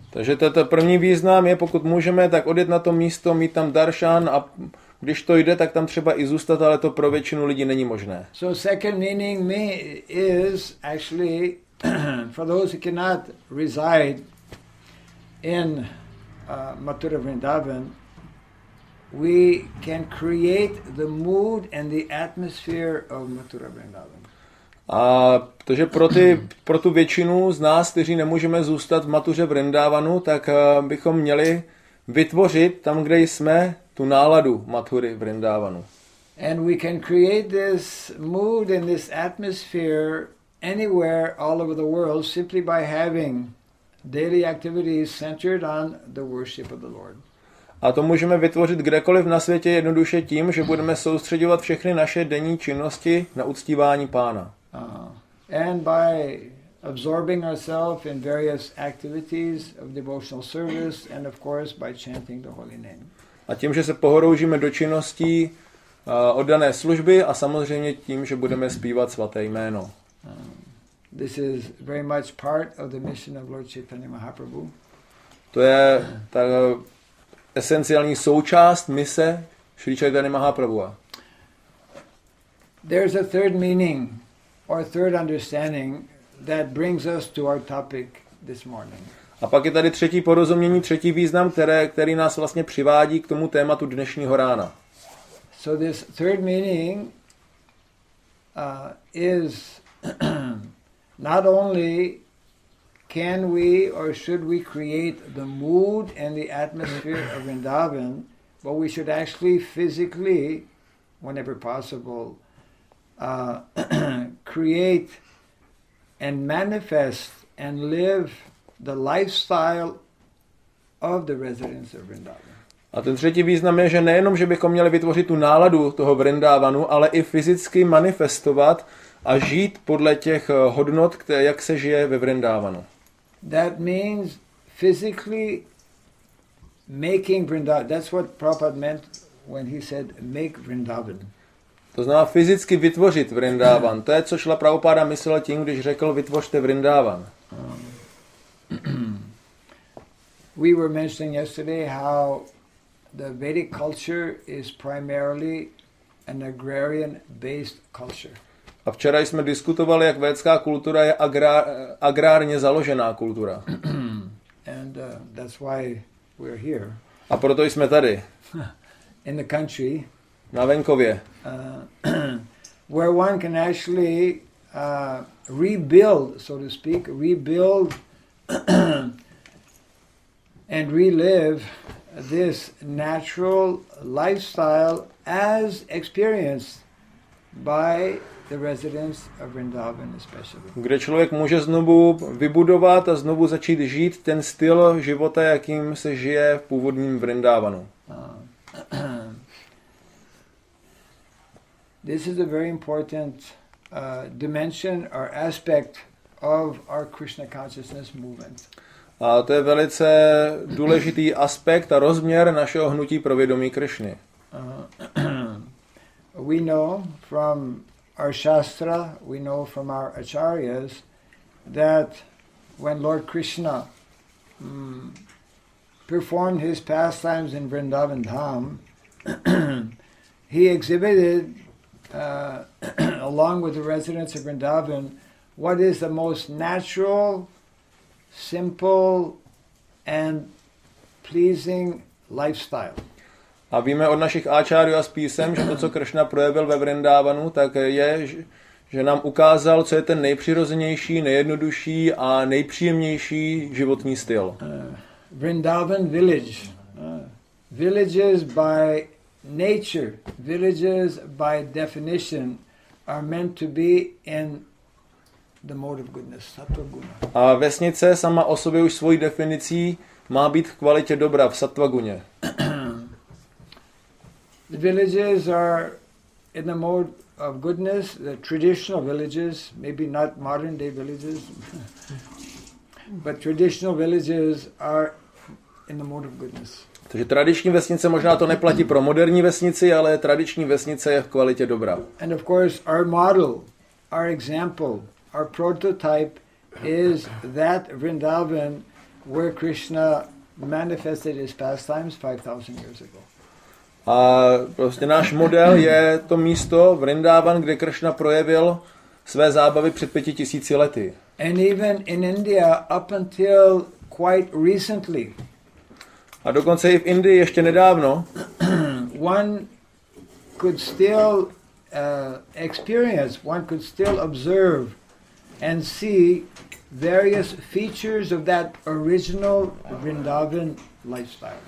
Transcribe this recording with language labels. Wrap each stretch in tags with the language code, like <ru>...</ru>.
<cs>Takže tento první význam je, pokud můžeme, tak odjet na to místo, mít tam darshan a když to jde, tak tam třeba i zůstat, ale to pro většinu lidí není možné.</cs> <en>So second meaning me is actually for those who cannot reside in Mathura Vrindavan, we can create the mood and the atmosphere of Mathura Vrindavan.</en> <cs>A takže pro tu většinu z nás, kteří nemůžeme zůstat v Mathuře Vrindavanu, tak bychom měli vytvořit tam, kde jsme, tu náladu Mathury Vrindavanu.</cs> <en>And we can create this mood and this atmosphere anywhere all over the world simply by having daily activities centered on the worship of the Lord.</en> <cs>A to můžeme vytvořit kdekoliv na světě jednoduše tím, že budeme soustředovat všechny naše denní činnosti na uctívání Pána.</cs> <en>And by absorbing ourselves in various activities of devotional service and of course by chanting the holy name.</en> <cs>A tím, že se pohoroužíme do činností oddané služby a samozřejmě tím, že budeme zpívat svaté jméno.</cs> <en>This is very much part of the mission of Lord Chaitanya Mahaprabhu.</en> <cs>To je ta esenciální součást mise Sri Chaitanya Mahaprabhuva.</cs> <en>There's a third meaning or a third understanding that brings us to our topic this morning.</en> <cs>A pak je tady třetí porozumění, třetí význam, který nás vlastně přivádí k tomu tématu dnešního rána.</cs> <en>So this third meaning is not only can we or should we create the mood and the atmosphere of Vrindavan, but we should actually physically, whenever possible, create and manifest and live the lifestyle of the residents of Vrindavan.</en> <cs>A ten třetí význam je, že nejenom, že bychom měli vytvořit tu náladu toho Vrindavanu, ale i fyzicky manifestovat a žít podle těch hodnot, jak se žije ve Vrindavanu.</cs> <en>That means physically making Vrindavan. That's what Prabhupada meant when he said make Vrindavan.</en> <cs>To znamená fyzicky vytvořit Vrindavan. To je, co Šrila Prabhupada myslel tím, když řekl vytvořte Vrindavan.</cs> <en>We were mentioning yesterday how the Vedic culture is primarily an agrarian based culture.</en> <cs>A včera jsme diskutovali, jak védská kultura je agrárně založená kultura.</cs> <en>And that's why we're here.</en> <cs>A proto jsme tady.</cs> <en>In the country.</en> <cs>Na venkově.</cs> <en>Where one can actually rebuild, so to speak, rebuild and relive this natural lifestyle as experienced by the residents of Vrindavan especially.</en> <cs>Kde člověk může znovu vybudovat a znovu začít žít ten styl života, jakým se žije v původním Vrindavanu.</cs> <en>This is a very important dimension or aspect of our Krishna consciousness movement.</en> <cs>A to je velice důležitý aspekt a rozměr našeho hnutí pro vědomí Krišny.</cs> <en>We know from our shastra, we know from our acharyas that when Lord Krishna performed his pastimes in Vrindavan Dham, he exhibited along with the residents of Vrindavan what is the most natural, simple and pleasing lifestyle.</en> <cs>A víme od našich áčárů a písem, že to, co Krishna projevil ve Vrindavanu, tak je, že nám ukázal, co je ten nejpřirozenější, nejjednodušší a nejpříjemnější životní styl.</cs> <en>Vrindavan village. Villages by nature, villages by definition are meant to be in the mode of goodness, sattva-guna.</en> <cs>A vesnice sama o sobě už svojí definicí má být v kvalitě dobra v sattva-guně.</cs> <en>The villages are in the mode of goodness, the traditional villages, maybe not modern day villages, but traditional villages are in the mode of goodness.</en> <cs>Takže tradiční vesnice, možná to neplatí pro moderní vesnici, ale tradiční vesnice je v kvalitě dobrá.</cs> <en>And of course our model, our example, our prototype is that Vrindavan where Krishna manifested his pastimes 5000 years ago.</en> <cs>A prostě náš model je to místo Vrindavan, kde Krishna projevil své zábavy před 5000 lety.</cs> <en>And even in India up until quite recently.</en> <cs>A dokonce i v Indii ještě nedávno.</cs> <en>One could still experience, one could still observe and see various features of that original Vrindavan lifestyle.</en>